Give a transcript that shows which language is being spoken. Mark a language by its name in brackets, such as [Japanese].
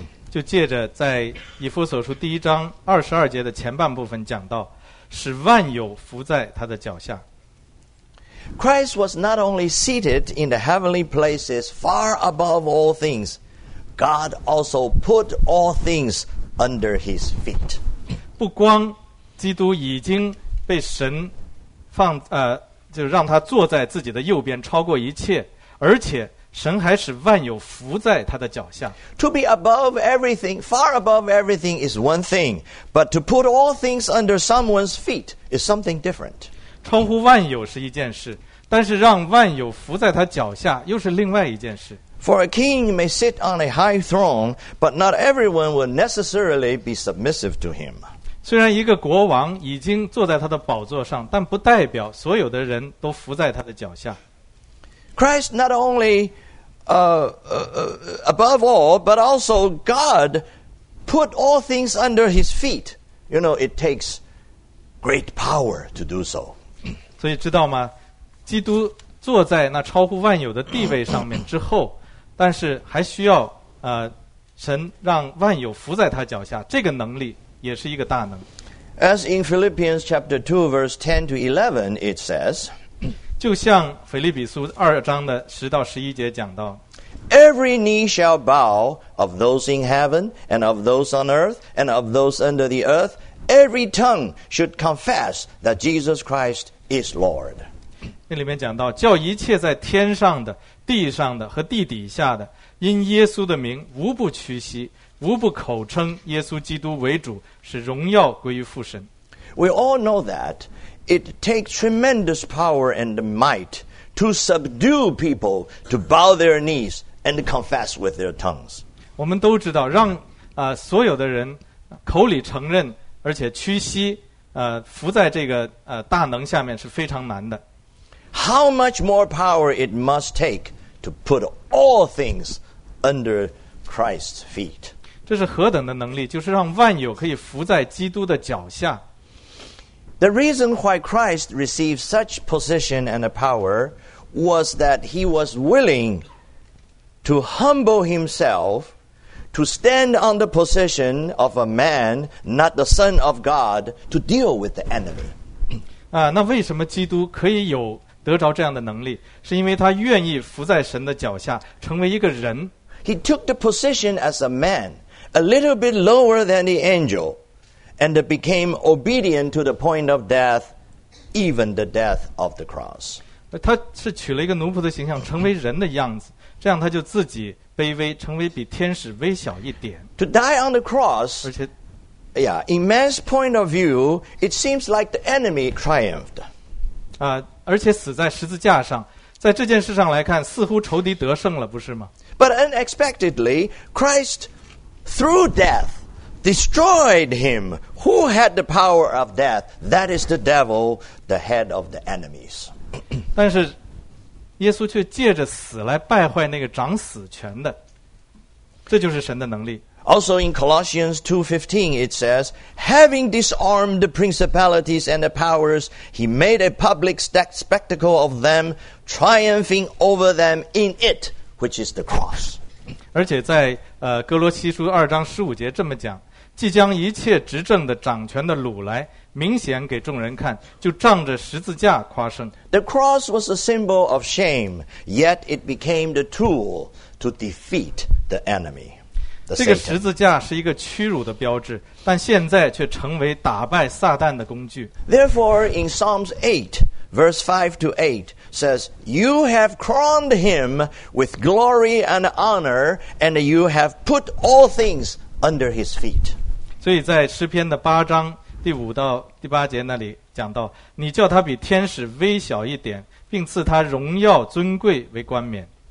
[Chinese] 就借着在以弗所书第一章二十二节的前半部分讲到，使万有伏在他的脚下。 [English] Christ was not only seated in the heavenly places far above all things, God also put all things under his feet. [Chinese] 不光基督已经被神放就是让他坐在自己的右边超过一切，而且神还使万有伏在他的脚下。 [English] To be above everything, far above everything is one thing, but to put all things under someone's feet is something different. [Chinese] 超乎万有是一件事，但是让万有伏在他脚下又是另外一件事。 [English] For a king may sit on a high throne, but not everyone will necessarily be submissive to him. [Chinese] 虽然一个国王已经坐在他的宝座上，但不代表所有的人都伏在他的脚下。 [English] Christ not only above all, but also God put all things under his feet. You know, it takes great power to do so. [Chinese] 所以知道吗？基督坐在那超乎万有的地位上面之后，但是还需要神让万有伏在他脚下，这个能力也是一个大能。 [English] As in Philippians chapter 2, verse 10 to 11, it says, [Chinese] 就像腓立比书二章的十到十一节讲到， [English] Every knee shall bow of those in heaven, and of those on earth, and of those under the earth. Every tongue should confess that Jesus Christ is Lord. [Chinese] 那里面讲到，叫一切在天上的、地上的和地底下的，因耶稣的名，无不屈膝，无不口称耶稣基督为主，使荣耀归于父神。 [English] We all know that it takes tremendous power and might to subdue people to bow their knees and confess with their tongues. [Chinese] 我们都知道，让所有的人口里承认，而且屈膝，伏在这个大能下面是非常难的。 [English] How much more power it must take to put all things under Christ's feet. [Chinese] 这是何等的能力，就是让万有可以伏在基督的脚下。 [English] The reason why Christ received such position and a power was that he was willing to humble himself to stand on the position of a man, not the Son of God, to deal with the enemy. [Chinese] 那为什么基督可以有得着这样的能力？是因为他愿意伏在神的脚下，成为一个人。 [English] He took the position as a man, a little bit lower than the angel, and became obedient to the point of death, even the death of the cross. [Chinese] 他是取了一个奴仆的形象，成为人的样子，这样他就自己卑微，成为比天使微小一点。 [English] To die on the cross, [Chinese] 而且 [English] yeah, in man's point of view, it seems like the enemy triumphed. [Chinese] 而且死在十字架上，在这件事上来看，似乎仇敌得胜了，不是吗？ [English] But unexpectedly, Christ, through death, destroyed him who had the power of death. That is the devil, the head of the enemies. [Chinese] 但是耶稣却借着死来败坏那个掌死权的，这就是神的能力。 [English] Also in Colossians 2:15 it says, Having disarmed the principalities and the powers, he made a public spectacle of them, triumphing over them in it, which is the cross. [Chinese] 而且在哥罗西书二章十五节这么讲，既将一切执政的掌权的掳来，明显给众人看，就仗着十字架夸胜。 [English] The cross was a symbol of shame, yet it became the tool to defeat the enemy. [Chinese] 这个十字架是一个屈辱的标志，但现在却成为打败撒旦的工具。 [English] Therefore, in Psalms 8, verse 5 to 8, says, You have crowned him with glory and honor, and you have put all things under his feet. [Chinese] 所以在诗篇的八章第五到第八节那里讲到，你叫他比天使微小一点，并赐他荣耀尊贵为冠冕。